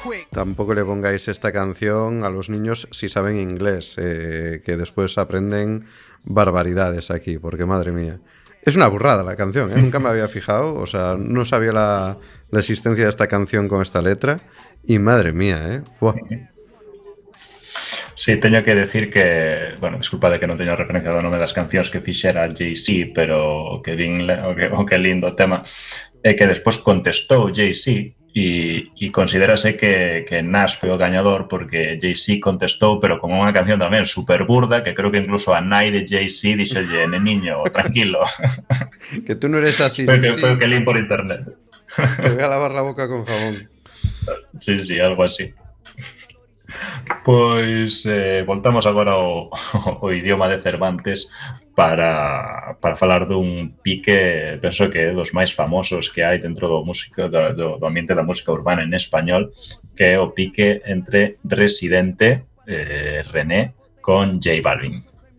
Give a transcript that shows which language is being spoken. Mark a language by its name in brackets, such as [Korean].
[Spanish] Tampoco le pongáis esta canción a los niños si saben inglés, que después aprenden barbaridades aquí, porque madre mía. Es una burrada la canción, ¿eh? Nunca me había fijado, o sea, no sabía la existencia de esta canción con esta letra, y madre mía, ¿eh? ¡Buah! [Galician] Sí, teño que decir que, bueno, disculpa de que non teño referenciado o nome das cancións que fixera Jay-Z, pero [Spanish] que bien, que lindo tema. [Galician] Que despois contestou Jay-Z e considerase que Nas foi o gañador porque Jay-Z contestou, pero con unha canción tamén super burda, que creo que incluso a nai de Jay-Z dixolle, neniño, tranquilo. Que tú non eres así. Foi o que lín por internet. [Spanish] Te voy a lavar la boca con jabón. Sí, algo así. [Galician] Pois voltamos agora ao idioma de Cervantes para falar dun pique, penso que é dos máis famosos que hai dentro do ambiente da música urbana en español, que é o pique entre Residente, René, con J Balvin.